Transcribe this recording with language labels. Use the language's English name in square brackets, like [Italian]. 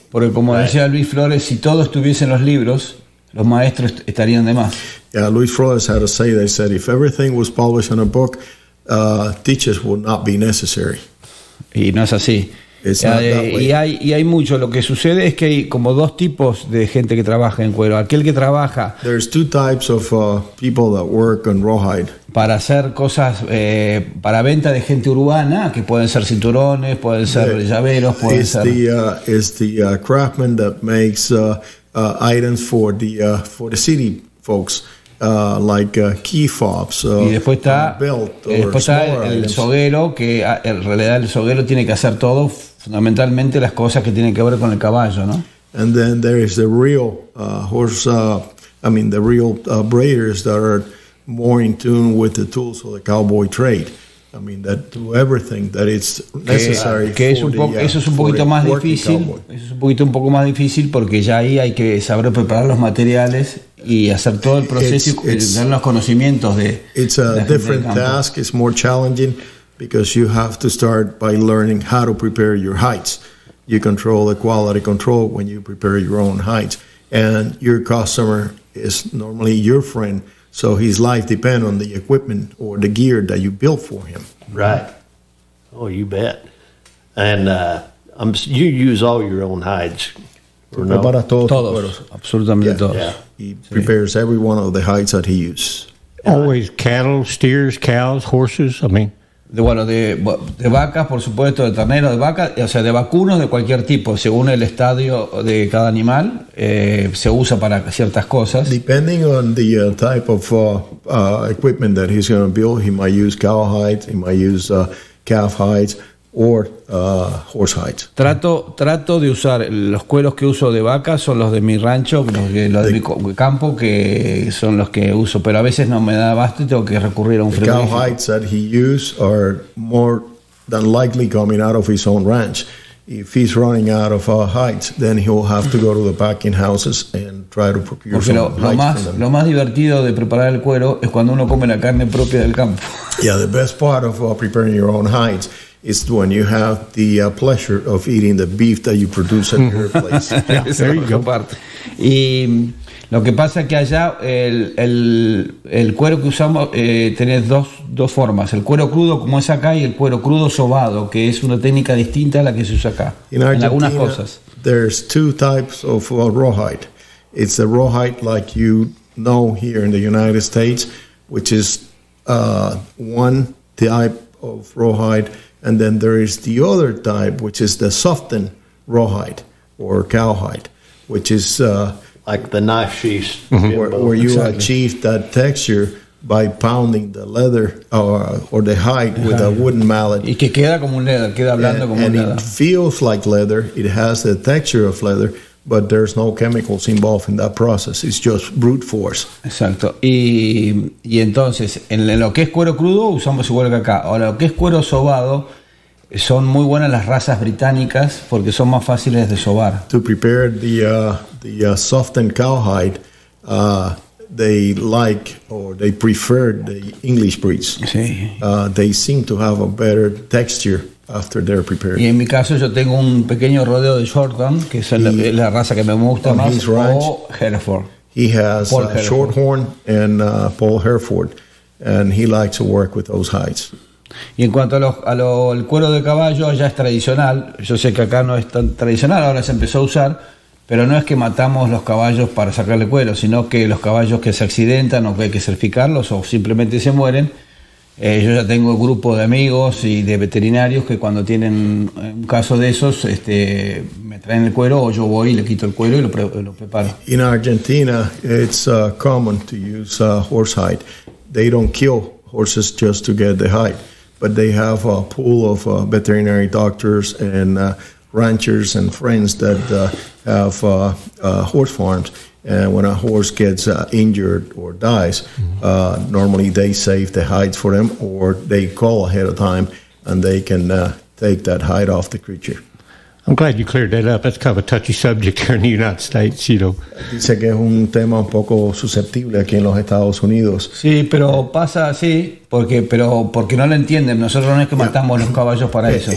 [Spanish] Porque, como decía Luis Flores, si todo estuviese en los libros, los maestros estarían de más. [English] Yeah, Luis Flores had a say. They said, if everything was published in a book, teachers would not be necessary. [Spanish] Y no es así. Y hay mucho. Lo que sucede es que hay como dos tipos de gente que trabaja en cuero. Aquel que trabaja. [English] There's two types of people that work in rawhide. [Spanish] Para hacer cosas para venta de gente urbana, que pueden ser cinturones, pueden ser llaveros, pueden ser. [English] Craftsman that makes items for the city folks. Like key fobs, [Spanish] y después está, [English] belt or [Spanish] después está el soguero, que en realidad el soguero tiene que hacer todo, fundamentalmente las cosas que tienen que ver con el caballo, ¿no? [English] And then there is the real braiders that are more in tune with the tools of the cowboy trade. I mean that do everything that is necessary. [Spanish] Que es un poco, eso es un poquito más difícil. Eso es un poco más difícil porque ya ahí hay que saber preparar los materiales y hacer todo el proceso y dar los conocimientos de. [English] It's a different task. It's more challenging because you have to start by learning how to prepare your hides. You control the quality control when you prepare your own hides, and your customer is normally your friend. So his life depends on the equipment or the gear that you built for him. Right. Oh, you bet. And you use all your own hides, or no? [Spanish] Prepara todos. Todos. Absolutamente todos. Yeah. [English] He prepares every one of the hides that he uses. Always cattle, steers, cows, horses, I mean. [Spanish] De vacas, por supuesto, de ternero, de vacas, o sea, de vacunos de cualquier tipo, según el estadio de cada animal, se usa para ciertas cosas. [English] Depending on the type of equipment that he's going to build, he might use cow hides, he might use calf hides, or horse hides. [Spanish] Trato de usar, los cueros que uso de vaca son los de mi rancho, los de mi campo, que son los que uso, pero a veces no me da abasto y tengo que recurrir a un frigorífico. [English] The cow hides that he uses are more than likely coming out of his own ranch. If he's running out of hides, then he'll have to go to the packing houses and try to procure some hides from them. [Spanish] Lo más divertido de preparar el cuero es cuando uno come la carne propia del campo. [English] Yeah, the best part of preparing your own hides is when you have the pleasure of eating the beef that you produce at your place. Yeah, there you go. [Spanish] Y lo que pasa es que allá el cuero que usamos tiene dos formas. El cuero crudo, como es acá, y el cuero crudo sobado, que es una técnica distinta a la que se usa acá. [English] In Argentina, [Spanish] en algunas cosas. [English] There's two types of rawhide. It's the rawhide like you know here in the United States, which is one type of rawhide. And then there is the other type, which is the softened rawhide or cowhide, which is like the knife sheath, where you exactly achieve that texture by pounding the leather or the hide with a wooden mallet. [Spanish] Y que queda como un leather, queda blando como [English] and it leather. Feels like leather. It has the texture of leather, but there's no chemicals involved in that process. It's just brute force. [Spanish] Exacto. Y entonces, en lo que es cuero crudo, usamos igual que acá. Ahora, lo que es cuero sobado, son muy buenas las razas británicas porque son más fáciles de sobar. [English] To prepare the softened cowhide, they like or they prefer the English breeds. [Spanish] Sí. [English] They seem to have a better texture after they're prepared. [Spanish] Y en mi caso yo tengo un pequeño rodeo de Shorthorn, que es la raza que me gusta más, [English] ranch, [Spanish] o Hereford. [English] He has Shorthorn and Paul Hereford, and he likes to work with those hides. [Spanish] Y en cuanto al cuero de caballo, ya es tradicional. Yo sé que acá no es tan tradicional, ahora se empezó a usar, pero no es que matamos los caballos para sacarle cuero, sino que los caballos que se accidentan o que hay que certificarlos o simplemente se mueren, yo ya tengo un grupo de amigos y de veterinarios que cuando tienen un caso de esos, me traen el cuero o yo voy y le quito el cuero y lo preparo. [English] In Argentina, it's common to use horse hide. They don't kill horses just to get the hide, but they have a pool of veterinary doctors and ranchers and friends that have horse farms. And when a horse gets injured or dies, normally they save the hides for them, or they call ahead of time and they can take that hide off the creature. I'm glad you cleared that up. That's kind of a touchy subject here in the United States, you know. [Spanish] Dice que es un tema un poco susceptible aquí en los Estados Unidos. Sí, pero pasa así porque no lo entienden. Nosotros no es que matamos los caballos para eso.